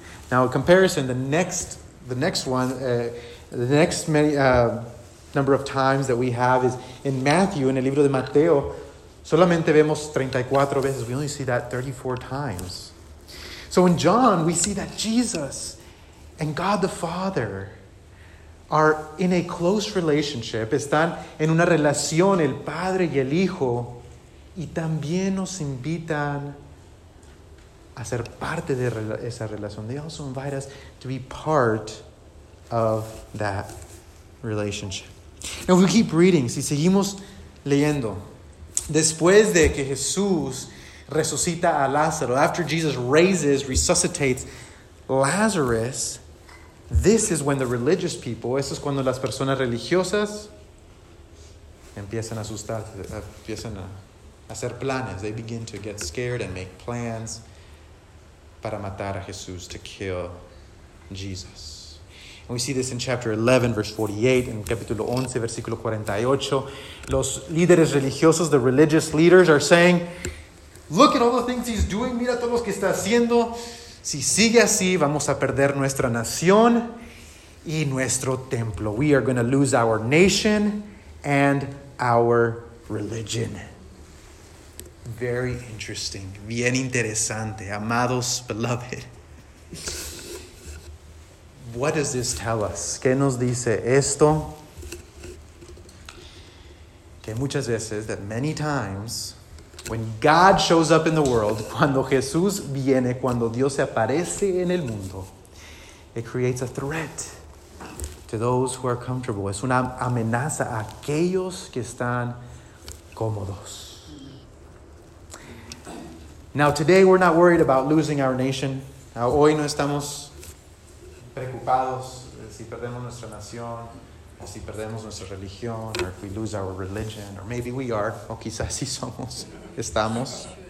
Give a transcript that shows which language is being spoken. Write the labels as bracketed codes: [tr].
[en] Now, a comparison, the next number of times that we have is in Matthew, in [es] el libro de Mateo, solamente vemos 34 veces. [en] We only see that 34 times. So in John, we see that Jesus and God the Father are in a close relationship. [es] Están en una relación, el Padre y el Hijo, y también nos invitan a ser parte de esa relación. [en] They also invite us to be part of that relationship. Now, we keep reading. [es] Si seguimos leyendo. Después de que Jesús resucita a Lázaro, [en] after Jesus resuscitates Lazarus, this is when the religious people, [es] eso es cuando las personas religiosas empiezan a asustar, empiezan a hacer planes. [en] They begin to get scared and make plans [es] para matar a Jesús, [en] to kill Jesus. And we see this in chapter 11, verse 48, in [es] capítulo 11, versículo 48. Los líderes religiosos, [en] the religious leaders, are saying, look at all the things he's doing. [es] Mira todo lo que está haciendo. Si sigue así, vamos a perder nuestra nación y nuestro templo. [en] We are going to lose our nation and our religion. Very interesting. [es] Bien interesante. [en] Amados, beloved. What does this tell us? [es] ¿Qué nos dice esto? Que muchas veces, [en] that many times, when God shows up in the world, [es] cuando Jesús viene, cuando Dios se aparece en el mundo, [en] it creates a threat to those who are comfortable. [es] Es una amenaza a aquellos que están cómodos. [en] Now, today, we're not worried about losing our nation. [es] Hoy no estamos preocupados si perdemos nuestra nación, o si perdemos nuestra religión, [en] or if we lose our religion, or maybe we are, [es] o quizás sí somos, estamos.